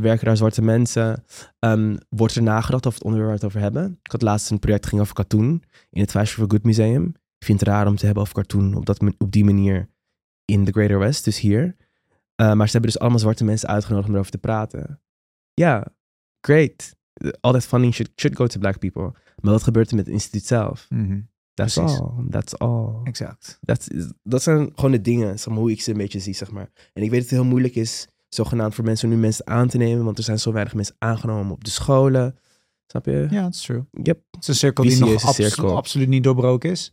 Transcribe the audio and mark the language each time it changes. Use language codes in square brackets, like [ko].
[nl] Werken daar zwarte mensen? Wordt er nagedacht over het onderwerp waar we het over hebben? Ik had laatst een project ging over katoen in het Fashion for Good Museum. Ik vind het raar om te hebben over cartoon op die manier [en] in the Greater West, [nl] dus hier. Maar ze hebben dus allemaal zwarte mensen uitgenodigd om erover te praten. Ja, [en] yeah, great. All that funding should go to black people. [nl] Maar wat gebeurt er met het instituut zelf? Mm-hmm. [en] That's [nl] precies. [en] All. That's all. [nl] Exact. Dat zijn gewoon de dingen, zeg maar, hoe ik ze een beetje zie, zeg maar. En ik weet dat het heel moeilijk is, zogenaamd voor mensen om nu mensen aan te nemen, want er zijn zo weinig mensen aangenomen op de scholen. Snap je? Ja, dat is [en] true. Yep. [nl] Het is een cirkel die nog absoluut niet doorbroken is.